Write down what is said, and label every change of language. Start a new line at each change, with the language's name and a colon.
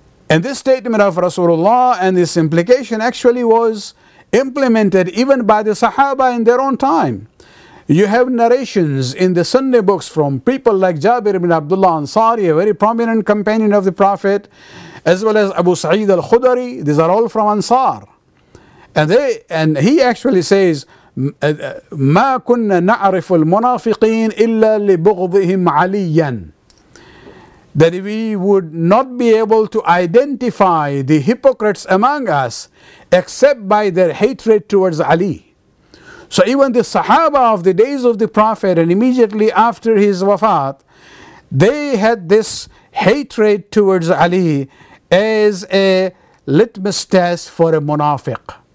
English: And this statement of Rasulullah and this implication actually was implemented even by the Sahaba in their own time. You have narrations in the Sunni books from people like Jabir ibn Abdullah Ansari, a very prominent companion of the Prophet, as well as Abu Sa'id al-Khudari. These are all from Ansar. And he actually says,
Arabic: ما كنا نعرف المنافقين إلا لبغضهم عليا.
English: That we would not be able to identify the hypocrites among us except by their hatred towards Ali. So even the Sahaba of the days of the Prophet and immediately after his wafat, they had this hatred towards Ali as a litmus test for a munafiq.